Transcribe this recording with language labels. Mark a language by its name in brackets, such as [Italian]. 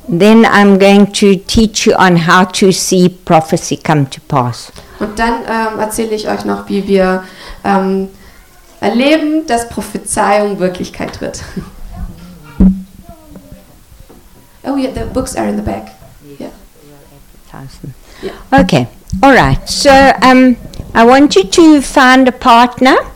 [English] Then I'm going to teach you on how to see prophecy come to pass. [German] Und dann erzähle ich euch noch, wie wir erleben, dass Prophezeiung Wirklichkeit wird. [English] Oh yeah, the books are in the back. Yeah. Okay. All right. So I want you to find a partner.